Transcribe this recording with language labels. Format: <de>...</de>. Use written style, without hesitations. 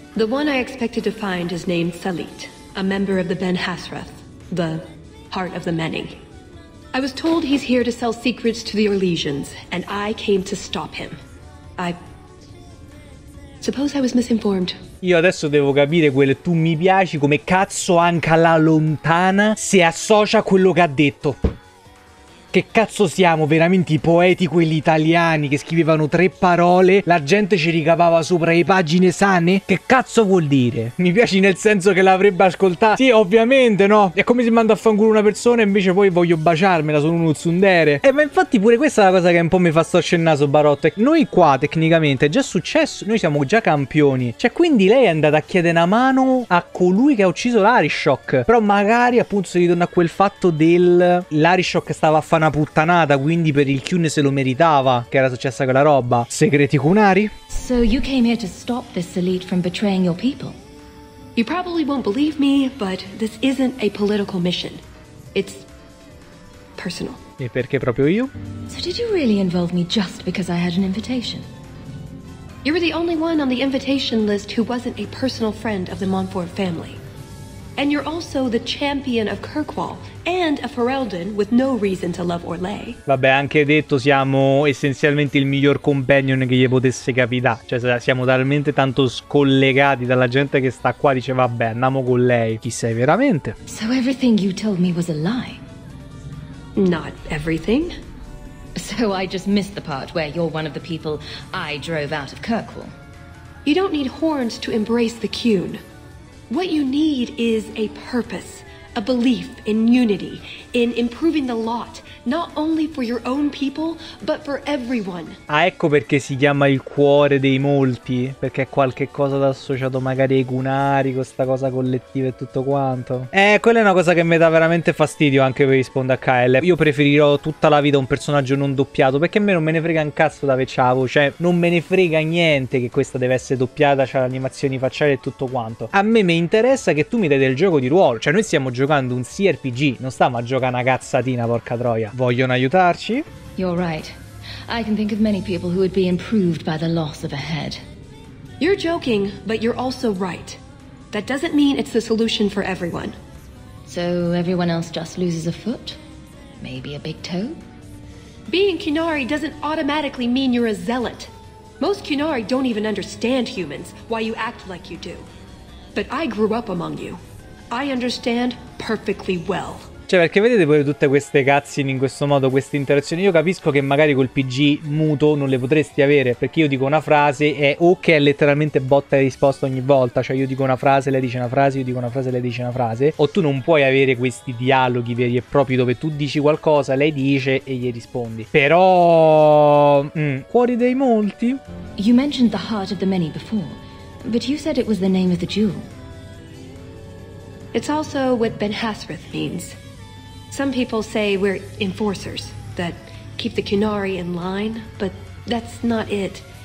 <en>The one I expected to find is named Salit, a member of the Ben Hasrath, the heart of the many. I was told he's here to sell secrets to the Orlesians, and I came to stop him. I suppose I was misinformed.</en> <it>Io adesso devo capire quel tu mi piaci come cazzo anche alla lontana si associa a quello che ha detto. Che cazzo siamo, veramente i poeti quelli italiani che scrivevano tre parole, la gente ci ricavava sopra le pagine sane? Che cazzo vuol dire? Mi piaci nel senso che l'avrebbe ascoltata. Sì, ovviamente, no? È come se mando a fanculo una persona e invece poi voglio baciarmela, sono uno tsundere. Ma infatti pure questa è la cosa che un po' mi fa storcere il naso, Barotto. Noi qua, tecnicamente, è già successo, noi siamo già campioni. Cioè, quindi lei è andata a chiedere una mano a colui che ha ucciso l'Arishok. Però magari, appunto, si ritorna a quel fatto del... l'Arishok stava a fa una puttanata, quindi per il Qun se lo meritava che era successa quella roba. Segreti Qunari.</it> <en>So you came here to stop this elite from betraying your people. You probably won't believe me, but this isn't a political mission. It's personal.</en> <it>E perché proprio io?</it> <en>So did you really involve me just because I had an invitation? You were the only one on the invitation list who wasn't a personal friend of the Montfort family. And you're also the champion of Kirkwall and a Ferelden with no reason to love Orlé.</en> <it>Vabbè, anche detto, siamo essenzialmente il miglior companion che gli potesse capitare. Cioè, siamo talmente tanto scollegati dalla gente che sta qua, dice vabbè, andiamo con lei. Chi sei veramente?</it> <en>So everything you told me was a lie. Not everything. So I just missed the part where you're one of the people I drove out of Kirkwall. You don't need horns to embrace the Qun. What you need is a purpose, a belief in unity, in improving the lot, not only for your own people, but for everyone.</en> <it>Ah, ecco perché si chiama il cuore dei molti, perché è qualche cosa da associato magari ai gunari, questa cosa collettiva e tutto quanto. Quella è una cosa che mi dà veramente fastidio, anche per rispondere a Kyle. Io preferirò tutta la vita un personaggio non doppiato, perché a me non me ne frega un cazzo da vecchiavo, cioè non me ne frega niente che questa deve essere doppiata, c'ha le animazioni facciali e tutto quanto. A me mi interessa che tu mi dai del gioco di ruolo, cioè noi stiamo giocando un CRPG, non stiamo a giocare una cazzatina, porca troia. Vogliono aiutarci?</it> <en>You're right. I can think of many people who would be improved by the loss of a head. You're joking, but you're also right. That doesn't mean it's the solution for everyone. So everyone else just loses a foot? Maybe a big toe? Being Qunari doesn't automatically mean you're a zealot. Most Qunari don't even understand humans, why you act like you do. But I grew up among you. I understand perfectly well.</en> <it>Cioè, perché vedete pure tutte queste cutscene in questo modo, queste interazioni? Io capisco che magari col PG muto non le potresti avere, perché io dico una frase e o che è letteralmente botta e risposta ogni volta, cioè io dico una frase, lei dice una frase, io dico una frase, lei dice una frase, o tu non puoi avere questi dialoghi veri e propri dove tu dici qualcosa, lei dice e gli rispondi. Però... cuori dei molti?</it> <en>You mentioned the heart of the many before, but you said it was the name of the jewel. It's also what Ben Hasrath means. Some people say we're enforcers that keep the Qunari in line, but that's not it.</en>